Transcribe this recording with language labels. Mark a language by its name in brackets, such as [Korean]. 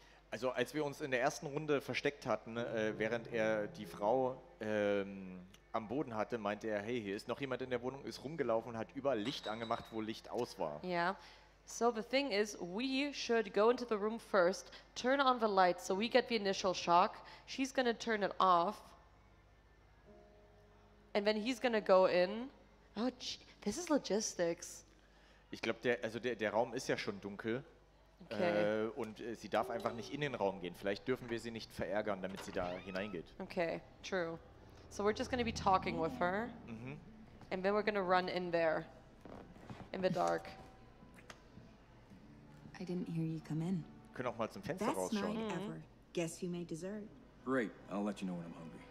[German] also als wir uns in der ersten Runde versteckt hatten, während er die Frau am Boden hatte, meinte er, hey, hier ist noch jemand in der Wohnung, ist rumgelaufen und hat überall Licht angemacht, wo Licht aus war. [English] Yeah. So the thing is, we should go into the room first, turn on the light, so we get the initial shock. She's gonna turn it off. And then he's gonna go in. Oh, this is logistics. [German] Ich glaube, der Raum ist ja schon dunkel. [English] Okay. [German] Und sie darf einfach nicht in den Raum gehen. Vielleicht dürfen wir sie nicht verärgern, damit sie da hineingeht. [English] Okay, true. So we're just gonna be talking with her. Mm-hmm. And then we're gonna run in there. In the dark. I didn't hear you come in. [German] Können auch mal zum Fenster [English] best [German] rausschauen. [English] Night mm-hmm. ever. Guess you made dessert. Great, I'll let you know when I'm hungry.